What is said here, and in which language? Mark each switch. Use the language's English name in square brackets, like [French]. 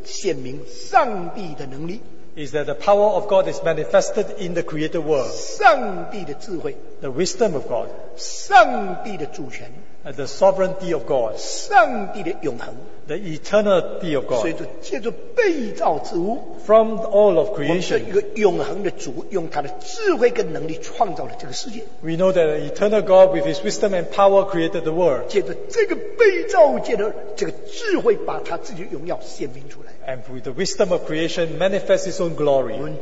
[Chinese] 就是从外面被造的界显明上帝的能力, [English] is that the power of God is manifested in the created world. [Chinese] 上帝的智慧, [English] the wisdom of God. [Chinese] 上帝的主权, [English] the sovereignty of God. [Chinese] 上帝的永恒, [English] the eternity of God. [Chinese] 所以就借助被造之物, [English] from all of creation, [Chinese] 我们是一个永恒的主, [English] we know that the eternal God with His wisdom and power created the world. [Chinese] 借助这个被造界的这个智慧把他自己的荣耀显明出来, [English] and with the wisdom of creation manifests His own glory.